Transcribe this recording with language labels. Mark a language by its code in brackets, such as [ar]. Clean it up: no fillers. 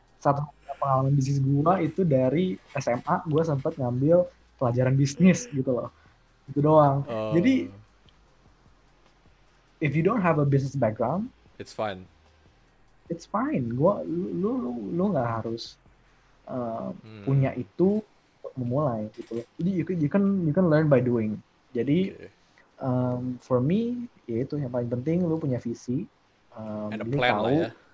[id] Satu pengalaman bisnis gua itu dari SMA, gua sempat ngambil pelajaran bisnis, gitu loh. Itu doang. Oh. [en] Jadi, if you don't have a business background, it's fine. It's fine. [id] Gua lu lu lu enggak harus punya itu untuk memulai gitu. Jadi you can learn by doing. Jadi okay. For me ya itu yang paling penting, lu punya visi, [en] and a plan lah ya.